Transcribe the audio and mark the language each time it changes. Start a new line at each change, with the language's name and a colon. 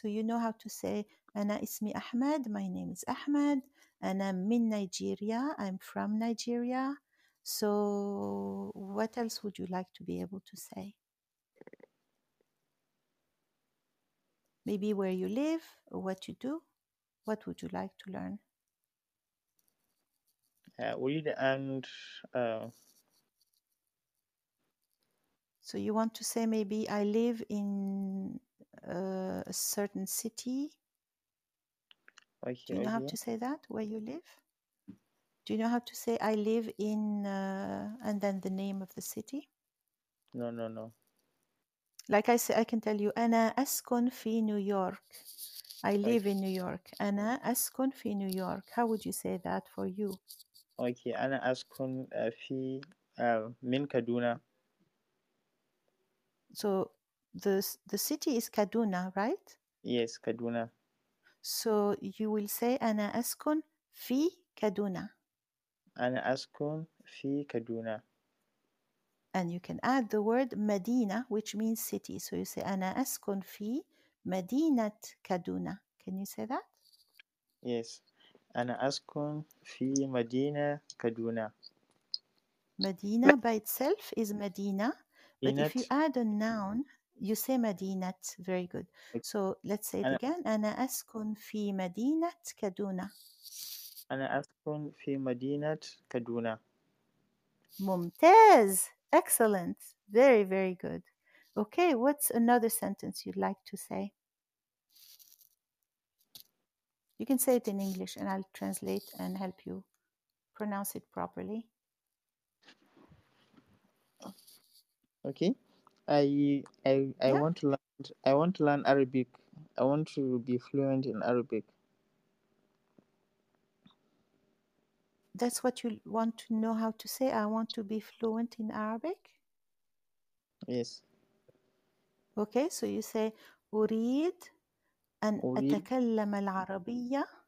English: So you know how to say
Arabic: أنا اسمي أحمد.
English: My name is Ahmed.
Arabic: أنا من نيجيريا.
English: I'm from Nigeria. So what else would you like to be able to say? Maybe where you live or what you do. What would you like to learn? Read and... So you want to say maybe I live in a certain city. Do you know how to say that, where you live? Do you know how to say I live in and then the name of the city? No. Like I say, I can tell you,
Arabic: أنا أسكن في نيويورك.
English: I live in New York.
Arabic: أنا أسكن في نيويورك.
English: How would you say that for you?
Arabic: Okay, أنا أسكن في من كادونا.
English: So the city is Kaduna, right? Yes, Kaduna. So you will say
Arabic: أنا أسكن في كادونا. أنا أسكن في كادونا.
English: And you can add the word مدينة, which means city. So you say
Arabic: أنا أسكن في مدينة كادونا.
English: Can you say that? Yes.
Arabic: أنا أسكن في مدينة كادونا.
English: مدينة by itself is مدينة. But if you add a noun, you say مدينة. Very good. So let's say it again.
Arabic: أنا أسكن في مدينة كادونا. أنا أسكن في مدينة كادونا.
English: ممتاز. Excellent. Very, very good. Okay, what's another sentence you'd like to say? You can say it in English and I'll translate and help you pronounce it properly. Okay. I want to learn Arabic. I want to be fluent in Arabic. That's what you want to know how to say? I want to be fluent in Arabic? Yes. Okay, so you say
Arabic: أريد أن أتكلم العربية.